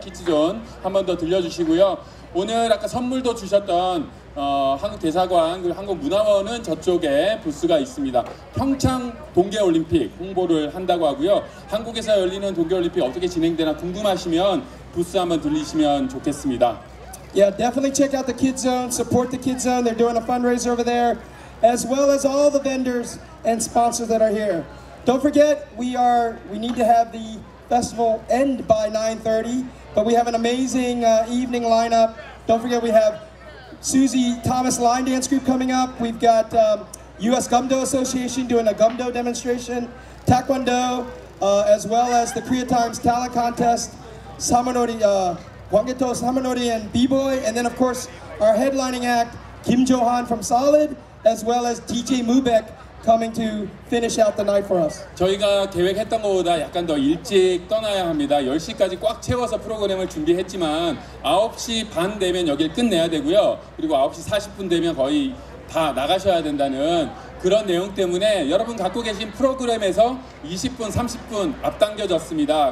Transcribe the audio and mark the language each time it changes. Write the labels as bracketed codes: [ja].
[ko] 키즈존 한 번 더 들려주시고요. 오늘 아까 선물도 주셨던 한국대사관 그리고 한국문화원은 저쪽에 부스가 있습니다. 평창 동계올림픽 홍보를 한다고 하고요. 한국에서 열리는 동계올림픽 어떻게 진행되나 궁금하시면 부스 한번 들리시면 좋겠습니다. [en] Yeah, definitely check out the Kids Zone, support the Kids Zone. They're doing a fundraiser over there, as well as all the vendors and sponsors that are here. Don't forget, we need to have the festival end by 9:30, but we have an amazing evening lineup. Don't forget, we have Susie Thomas Line Dance Group coming up. We've got U.S. Gumdo Association doing a Gumdo demonstration, Taekwondo, as well as the Korea Times Talent Contest, Samanori, Gwanggaeto Samanori and B-Boy, and then of course, our headlining act, Kim Johan from Solid, as well as DJ Mubek coming to finish out the night for us. [ko] 저희가 계획했던 것보다 약간 더 일찍 떠나야 합니다. 10시까지 꽉 채워서 프로그램을 준비했지만 9시 반 되면 여기를 끝내야 되고요. 그리고 9시 40분 되면 거의 다 나가셔야 된다는 그런 내용 때문에 여러분 갖고 계신 프로그램에서 20분, 30분 앞당겨졌습니다.